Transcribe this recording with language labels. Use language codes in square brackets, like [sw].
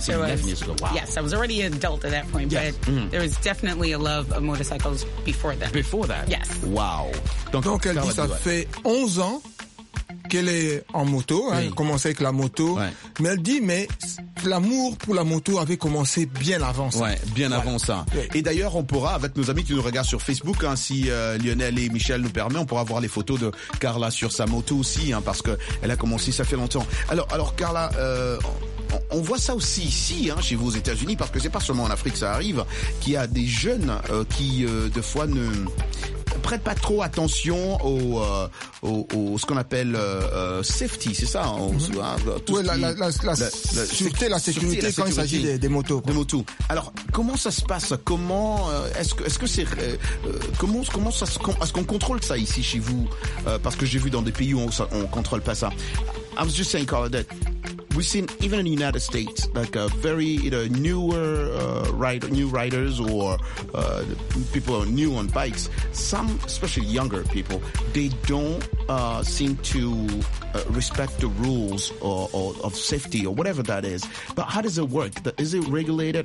[en] Yes, I was already an adult at that point. Yes. But there was definitely a love of motorcycles before that. Before that? Yes. Wow. [fr] Donc elle dit, ça fait 11 ans qu'elle est en moto. Oui. Elle a commencé avec la moto. Ouais. Mais elle dit, l'amour pour la moto avait commencé bien avant ça. Ouais, bien avant ça. Et d'ailleurs, on pourra, avec nos amis qui nous regardent sur Facebook, hein, si Lionel et Michel nous permettent, on pourra voir les photos de Carla sur sa moto aussi, hein, parce que elle a commencé, ça fait longtemps. Alors Carla, on voit ça aussi ici, hein, chez vous aux États-Unis, parce que c'est pas seulement en Afrique que ça arrive, qu'il y a des jeunes qui, de fois, ne prêtent pas trop attention au, ce qu'on appelle safety, c'est ça, hein, mm-hmm. Oui, la sécurité quand il s'agit des motos. Quoi. Des motos. Alors, comment ça se passe? Comment est-ce qu'on contrôle ça ici chez vous? Parce que j'ai vu dans des pays où on contrôle pas ça. [en] I was just saying, Carla, that we've seen even in the United States, like a very new riders or people are new on bikes. Some, especially younger people, they don't seem to respect the rules or of safety or whatever that is. But how does it work? Is it regulated?